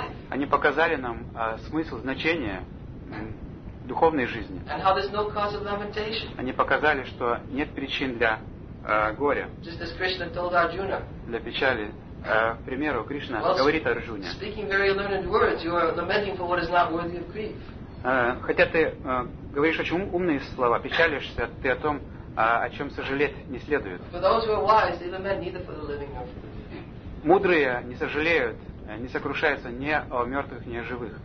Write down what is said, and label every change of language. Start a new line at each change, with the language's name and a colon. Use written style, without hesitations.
Russian: Они показали нам смысл, значение духовной жизни.
English: And how there's no cause of lamentation.
Russian: Они показали, что нет причин для горя.
English: Just as Krishna told Arjuna.
Russian: Для печали. К примеру, Кришна говорит Арджуне.
English: Speaking very learned words, you are lamenting for what is not worthy of grief.
Russian: Хотя ты говоришь очень умные слова, печалишься ты о том, о чем сожалеть не следует.
English: For those who are wise, they lament neither for the living nor for the dead.
Russian: Мудрые не сожалеют, не сокрушается ни о мертвых, ни о живых.